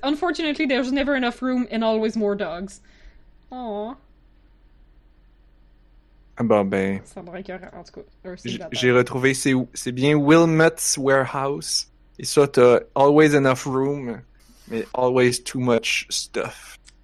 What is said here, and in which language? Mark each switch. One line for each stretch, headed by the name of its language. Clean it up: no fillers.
English: unfortunately, there's never enough room and always more dogs. Oh.
French: Ah bon, ben. Ça devrait être en tout cas. J'ai retrouvé, c'est bien Wilmot's Warehouse. Et ça, t'as
English: always enough room,
French: mais
English: always too much stuff.